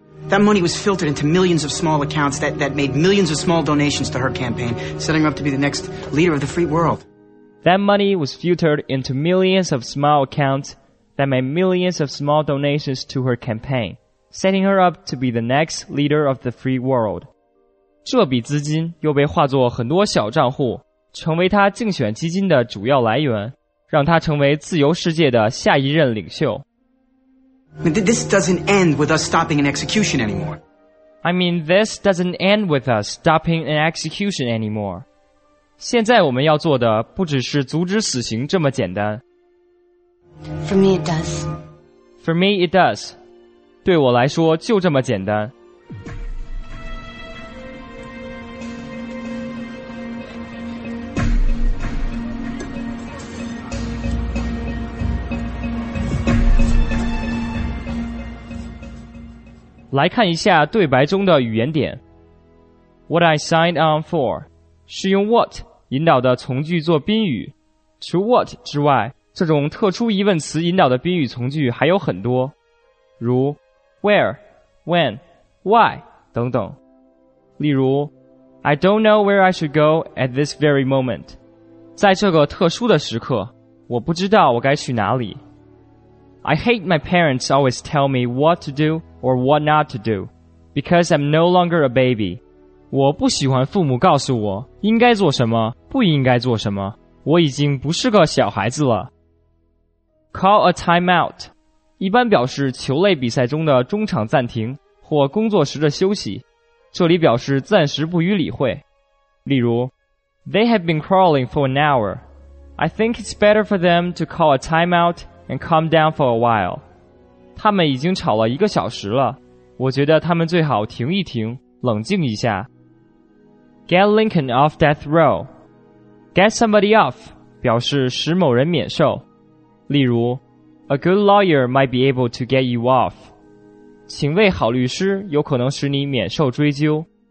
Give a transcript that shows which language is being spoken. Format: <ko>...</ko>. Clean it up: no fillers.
<en>That money was filtered into millions of small accounts that made millions of small donations to her campaign, setting her up to be the next leader of the free world. That money was filtered into millions of small accounts that made millions of small donations to her campaign, setting her up to be the next leader of the free world.</en> <zh>这笔资金又被化作很多小账户，成为她竞选基金的主要来源，让她成为自由世界的下一任领袖。</zh> <en>This doesn't end with us stopping an execution anymore. I mean, this doesn't end with us stopping an execution anymore.</en> <zh>现在我们要做的不只是阻止死刑这么简单。</zh> <en>For me it does. For me it does.</en> <zh>对我来说就这么简单。来看一下对白中的语言点。</zh> <en>What I signed on for.</en> <zh>是用 what 引导的从句做宾语，除 what 之外，这种特殊疑问词引导的宾语从句还有很多，如 where, when, why 等等。例如</zh> <en>I don't know where I should go at this very moment，</en> <zh>在这个特殊的时刻，我不知道我该去哪里。</zh> <en>I hate my parents always tell me what to do or what not to do because I'm no longer a baby。</en> <zh>我不喜欢父母告诉我应该做什么不应该做什么，我已经不是个小孩子了。</zh> <en>Call a time out</en> <zh>一般表示球类比赛中的中场暂停或工作时的休息，这里表示暂时不予理会。</zh> <en>例如 They have been crawling for an hour. I think it's better for them to call a time out and calm down for a while.</en> <zh>他们已经吵了一个小时了，我觉得他们最好停一停冷静一下。</zh> <en>Get Lincoln off death row. Get somebody off</en> <zh>表示使某人免受，例如</zh> <en>A good lawyer might be able to get you off，</en> <zh>请为好律师有可能使你免受追究。</zh>